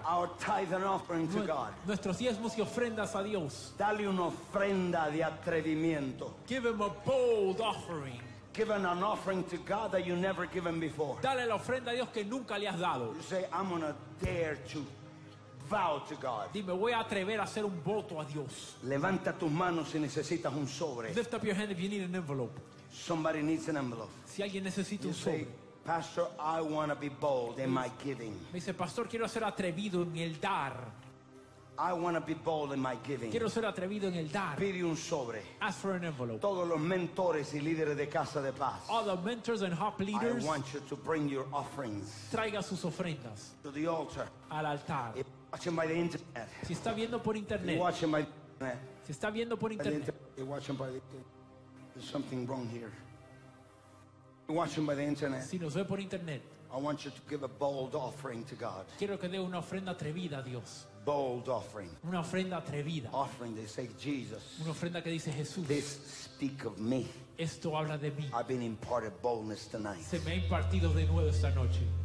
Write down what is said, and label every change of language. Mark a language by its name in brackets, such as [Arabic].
[English] our tithe and offering to God. [Spanish] Nuestros diezmos y ofrendas a Dios. Dale una ofrenda de atrevimiento. [English] Give him a bold offering. Give an offering to God that you never given before. [Spanish] Dale la ofrenda a Dios que nunca le has dado. [English] You say, I'm gonna dare to vow to God. [Spanish] Dime, voy a atrever a hacer un voto a Dios. Levanta tus manos si necesitas un sobre. [English] Lift up your hand if you need an envelope. Somebody needs an envelope. [Spanish] Si alguien necesita un sobre. [English] Pastor, I want to be bold in my giving. [Spanish] Me dice, pastor, quiero ser atrevido en el dar. [English] I want to be bold in my giving. [Spanish] Quiero ser atrevido en el dar. Pide un sobre. [English] Ask for an envelope. [Spanish] Todos los mentores y líderes de Casa de Paz. [English] All the mentors and HOP leaders. I want you to bring your offerings. [Spanish] Traiga sus ofrendas. [English] To the altar. [Spanish] Al altar. [English] If you're watching by the internet. [Spanish] Si está viendo por internet. [English] You're watching by the internet. [Spanish] Si está viendo por internet. [English] You're watching by the internet. There's something wrong here. Watching by the internet. [Spanish] Si nos ve por internet. [English] I want you to give a bold offering to God. [Spanish] Quiero que dé una ofrenda atrevida a Dios. [English] Bold offering. [Spanish] Una ofrenda atrevida. [English] Offering that says Jesus. [Spanish] Una ofrenda que dice Jesús. [English] This speak of me. [Spanish] Esto habla de mí. [English] I've been imparted boldness tonight. [Spanish] Se me ha impartido de nuevo esta noche.